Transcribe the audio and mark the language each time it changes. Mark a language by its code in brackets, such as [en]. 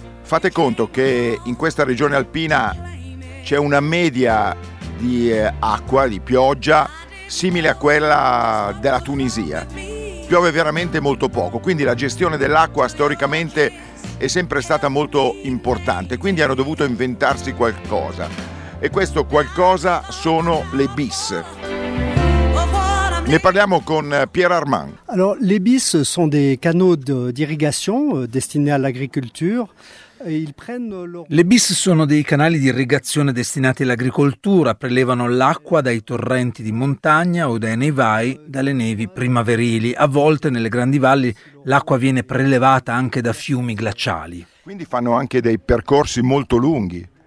[it] Fate conto che in questa regione alpina c'è una media di acqua, di pioggia, simile a quella della Tunisia. Piove veramente molto poco, quindi la gestione dell'acqua storicamente è sempre stata molto importante, quindi hanno dovuto inventarsi qualcosa. E questo qualcosa sono le bis. Ne parliamo con Pierre Armand. [fr] Alors, les bis sont des canaux d'irrigation destinés à l'agriculture. [it] Le bis sono dei canali di irrigazione destinati all'agricoltura, prelevano l'acqua dai torrenti di montagna o dai nevai, dalle nevi primaverili. A volte nelle grandi valli l'acqua viene prelevata anche da fiumi glaciali. Quindi fanno anche dei percorsi molto lunghi.